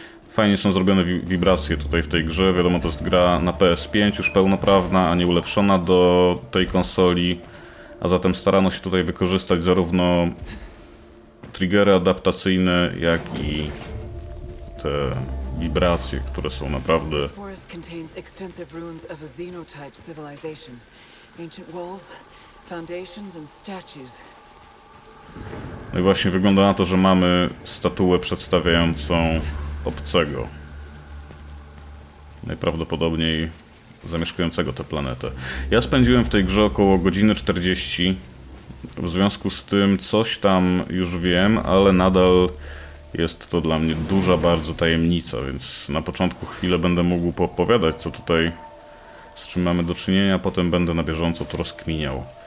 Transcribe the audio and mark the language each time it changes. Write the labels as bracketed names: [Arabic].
[Polish] Fajnie są zrobione wibracje tutaj w tej grze. Wiadomo, to jest gra na PS5, już pełnoprawna, a nie ulepszona do tej konsoli. A zatem starano się tutaj wykorzystać zarówno triggery adaptacyjne, jak i te wibracje, które są naprawdę... [English] This forest contains extensive ruins of a xenotype civilization. Ancient walls, foundations and statues. [Polish] No i właśnie wygląda na to, że mamy statuę przedstawiającą obcego. Najprawdopodobniej zamieszkującego tę planetę. Ja spędziłem w tej grze około godziny 40. W związku z tym coś tam już wiem, ale nadal jest to dla mnie duża bardzo tajemnica, więc na początku chwilę będę mógł poopowiadać, co tutaj z czym mamy do czynienia, potem będę na bieżąco to rozkminiał.